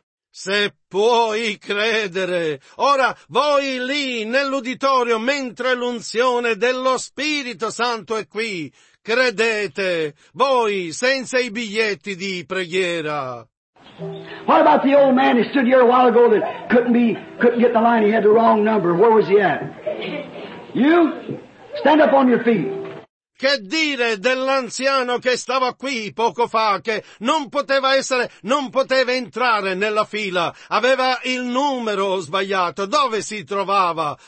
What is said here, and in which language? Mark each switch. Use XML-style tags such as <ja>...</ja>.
<it>Se puoi credere, ora voi lì nell'uditorio, mentre l'unzione dello Spirito Santo è qui, credete, voi senza i biglietti di preghiera.</it> <en>What about the old man who stood here a while ago that couldn't get the line, he had the wrong number? Where was he at? You? Stand up on your feet.</en> <it>Che dire dell'anziano che stava qui poco fa, che non poteva entrare nella fila, aveva il numero sbagliato, dove si trovava?</it>